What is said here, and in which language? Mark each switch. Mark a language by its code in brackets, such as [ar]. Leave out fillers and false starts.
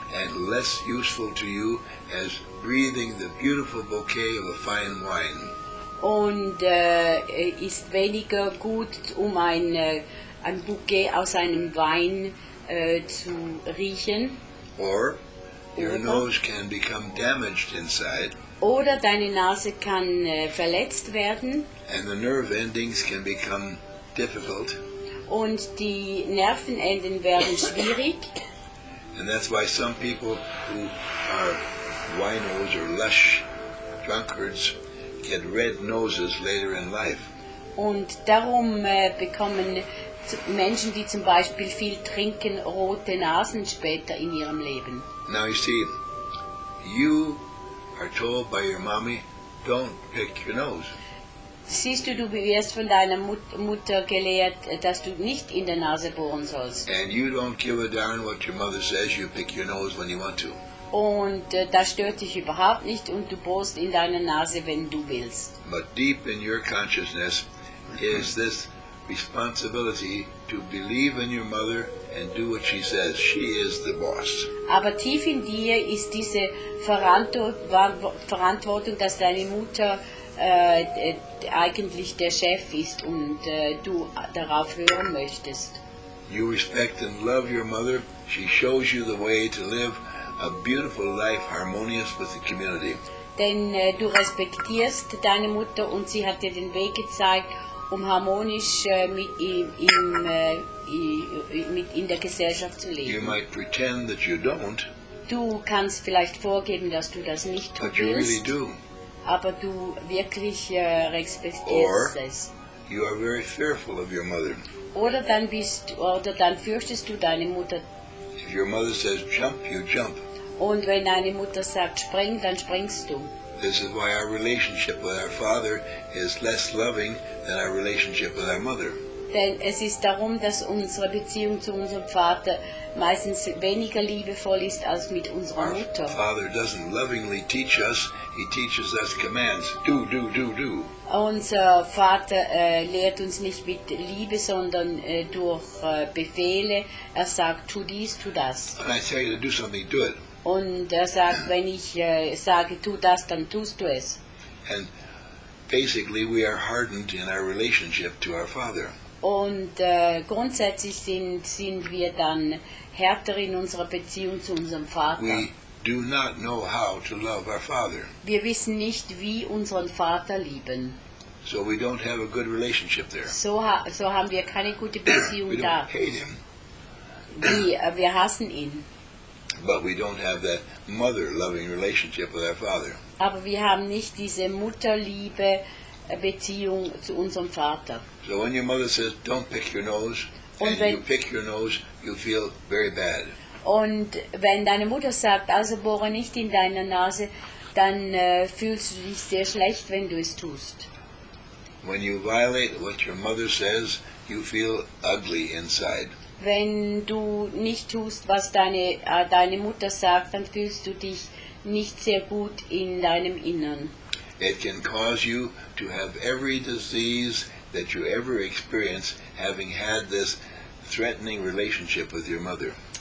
[en] And less useful to you as breathing the beautiful bouquet of a fine wine. [de] Und ist weniger gut, um ein Bouquet aus einem Wein zu riechen. [en] Or your nose can become damaged inside. [de] Oder deine Nase kann verletzt werden. [en] And the nerve endings can become difficult. [de] Und die Nervenenden werden schwierig. [en] And that's why some people who are winos or lush drunkards get red noses later in life. [de] Und darum bekommen Menschen, die zum Beispiel viel trinken, rote Nasen später in ihrem Leben. [en] Now you see, you are told by your mommy, don't pick your nose. [de] Siehst du, du wirst von deiner Mutter gelehrt, dass du nicht in der Nase bohren sollst. [en] And you don't give a darn what your mother says, you pick your nose when you want to. [de] Und das stört dich überhaupt nicht und du bohrst in deine Nase, wenn du willst. [en] But deep in your consciousness is this responsibility to believe in your mother and do what she says. She is the boss. [de] Aber tief in dir ist diese Verantwortung, dass deine Mutter eigentlich der Chef ist und du darauf hören möchtest. [en] You respect and love your mother. She shows you the way to live a beautiful life harmonious with the community. [de] Denn du respektierst deine Mutter und sie hat dir den Weg gezeigt, um harmonisch in der Gesellschaft zu leben. [en] You might pretend that you don't. [de] Du kannst vielleicht vorgeben, dass du das nicht tust. [en] But you really do. [de] Aber du wirklich respektierst es. [en] You are very fearful of your mother. [de] Oder dann fürchtest du deine Mutter. [en] If your mother says jump, you jump. [de] Und wenn deine Mutter sagt spring, dann springst du. [en] This is why our relationship with our father is less loving than our relationship with our mother. [de] Denn es ist darum, dass unsere Beziehung zu unserem Vater meistens weniger liebevoll ist als mit unserer Mutter. [en] Our father doesn't lovingly teach us, he teaches us commands. Do, do, do, do. [de] Unser Vater lehrt uns nicht mit Liebe, sondern durch Befehle. Er sagt, tu dies, tu das. [en] When I tell you to do something, do it. [de] Und er sagt, wenn ich sage, tu das, dann tust du es. [en] And basically we are hardened in our relationship to our father. [de] Und grundsätzlich sind wir dann härter in unserer Beziehung zu unserem Vater. [en] We do not know how to love our father. [de] Wir wissen nicht, wie unseren Vater lieben. [en] So we don't have a good relationship there. [de] So haben wir keine gute Beziehung [en] we [de] da. [en] We don't hate him. [de] Wir hassen ihn. [en] But we don't have that mother-loving relationship with our father. [de] Aber wir haben nicht diese Mutterliebe Beziehung zu unserem Vater. [en] So when your mother says, don't pick your nose, [de] und [en] and [de] wenn, [en] you pick your nose, you feel very bad. [de] Und wenn deine Mutter sagt, also bohre nicht in deiner Nase, dann fühlst du dich sehr schlecht, wenn du es tust. [en] When you violate what your mother says, you feel ugly inside. [de] Wenn du nicht tust, was deine Mutter sagt, dann fühlst du dich nicht sehr gut in deinem Innern. [en] It can cause you to have every disease that you ever experience having had this threatening relationship with your mother.